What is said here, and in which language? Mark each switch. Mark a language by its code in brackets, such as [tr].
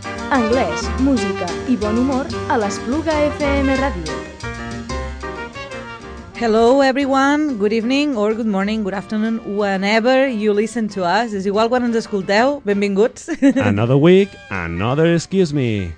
[ca] Anglès, música i bon humor a l'Espluga FM Ràdio. [en] Hello everyone, good evening or good morning, good afternoon, whenever you listen to us. [ca] És igual quan ens escolteu, benvinguts. [en] Another week, another excuse me.